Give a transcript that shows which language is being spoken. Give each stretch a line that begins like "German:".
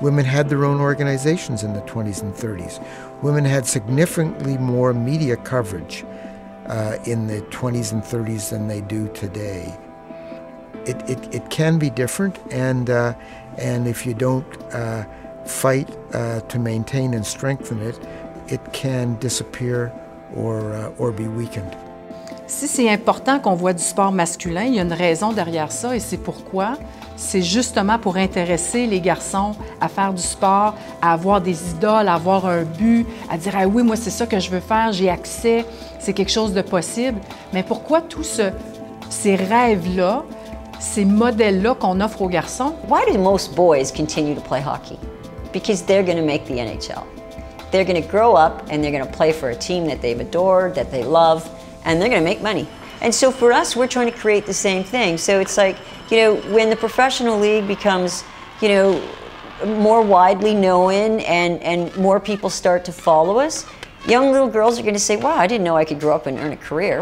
English: Women had their own organizations in the 20s and 30s. Women had significantly more media coverage in the 20s and 30s than they do today. It can be different, and if you don't fight to maintain and strengthen it, it can disappear or be weakened.
French: Si c'est important qu'on voit du sport masculin, il y a une raison derrière ça, et c'est pourquoi c'est justement pour intéresser les garçons à faire du sport, à avoir des idoles, à avoir un but, à dire ah oui, moi c'est ça que je veux faire, j'ai accès, c'est quelque chose de possible. Mais pourquoi tous ces rêves-là, ces modèles-là qu'on offre aux garçons?
English: Why do most boys continue to play hockey? Because they're going to make the NHL. They're going to grow up and they're going to play for a team that they've adored, that they love, and they're going to make money. And so for us, we're trying to create the same thing. So it's like, you know, when the professional league becomes, you know, more widely known and more people start to follow us, young little girls are going to say, wow, I didn't know I could grow up and earn a career.